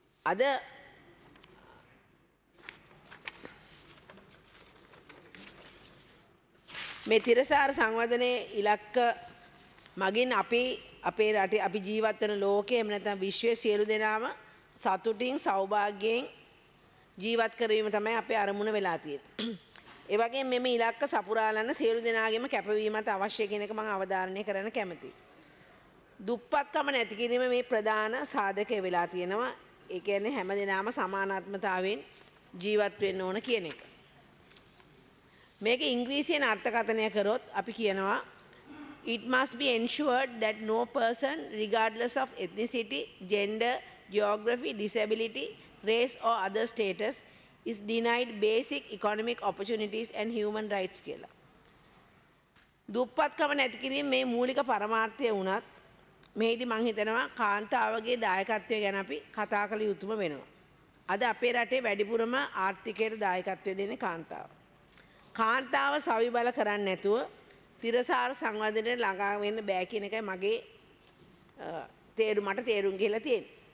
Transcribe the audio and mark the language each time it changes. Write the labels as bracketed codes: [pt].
[si] අද මේ තිරසාර සංවර්ධනයේ ඉලක්ක මගින් අපේ රටේ, අපි ජීවත් වෙන ලෝකයේ, එහෙම නැත්නම් විශ්වයේ සියලු දෙනාම සතුටින් සෞභාග්‍යයෙන් ජීවත් කරවීම තමයි අපේ අරමුණ වෙලා තියෙන්නේ. ඒ වගේම මෙම ඉලක්ක සපුරාලන්න සියලු දෙනාගේම කැපවීමත් අවශ්‍ය කියන එක මම අවධාරණය කරන්න කැමතියි. දුප්පත්කම නැති කිරීම මේ ප්‍රධාන සාධකය වෙලා තියෙනවා. ඒ කියන්නේ හැම දෙනාම සමානාත්මතාවයෙන් ජීවත් වෙන්න ඕන කියන එක. මේක ඉංග්‍රීසියෙන් අර්ථකථනය කරොත් අපි කියනවා [en] It must be ensured that no person, regardless of ethnicity, gender, geography, disability, race or other status, is denied basic economic opportunities and human rights [si] කියලා. දුප්පත්කම නැති කිරීම මේ මූලික පරමාර්ථය වුණත් මෙහිදී මම හිතනවා කාන්තාවගේ දායකත්වය ගැන අපි කතා කළ යුතුම වෙනවා. අද අපේ රටේ වැඩිපුරම ආර්ථිකයට දායකත්වය දෙන්නේ කාන්තාව. කාන්තාව සවිබල කරන්න නැතුව තිරසාර සංවර්ධනයට ළඟා වෙන්න බෑ කියන එකයි මගේ තේරුම් ගිහලා තියෙන්නේ.